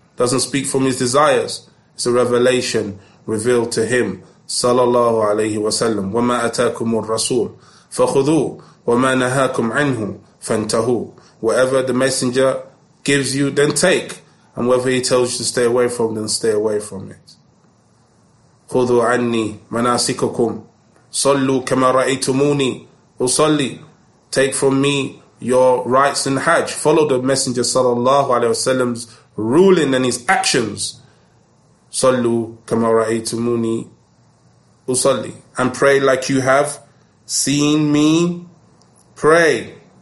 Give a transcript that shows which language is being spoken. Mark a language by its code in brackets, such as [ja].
[en] Doesn't speak from his desires. It's a revelation revealed to him sallallahu alayhi wa sallam. [ar] وَمَا أَتَاكُمُ الرَّسُولِ فَخُذُوهُ وَمَا نَهَاكُمْ عَنْهُ فَانْتَهُوا. [en] Whatever the Messenger gives you, then take. And whatever he tells you to stay away from, then stay away from it. [ar] خذوا عني مناسككم صلوا كما رأيتموني وصلي. [en] Take from me your rites in Hajj. Follow the Messenger sallallahu alaihi wasallam's ruling and his actions. [ar] صلوا كما رأيتموني وصلي. [en] And pray like you have seen me pray.